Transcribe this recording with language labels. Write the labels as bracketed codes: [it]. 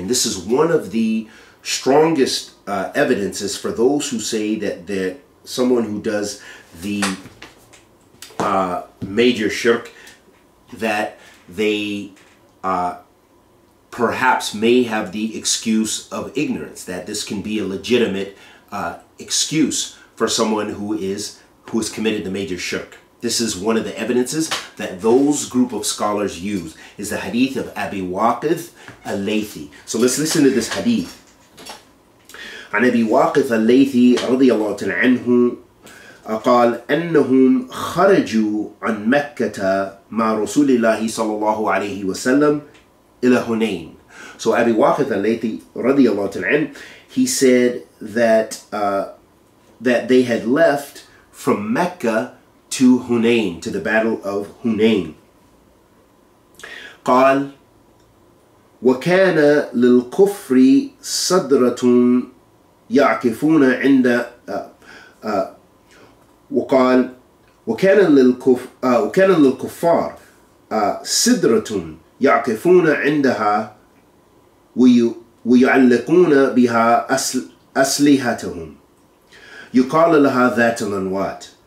[en] And this is one of the strongest evidences for those who say that someone who does the major shirk, that they perhaps may have the excuse of ignorance, that this can be a legitimate excuse for someone who has committed the major shirk. This is one of the evidences that those group of scholars use, is the hadith of Abi Waqidh al-Laythi. So let's listen to this hadith. [ar] An Abi Waqidh al-Laythi radiallahu ta'ala anhu قال أنهم خرجوا عن مكة مع رسول الله صلى الله عليه وسلم إلى هنين. [en] So Abi Waqidh al-Laythi radiallahu ta'ala anhu, he said that they had left from Mecca to Hunain, to the battle of Hunain. [ar] قال وكان للكفر صدرة يعكفون عند وقال وكان للكفار صدرة يعكفون عندها ويعلقون بها أسلحتهم يقال لها ذات الأنوات.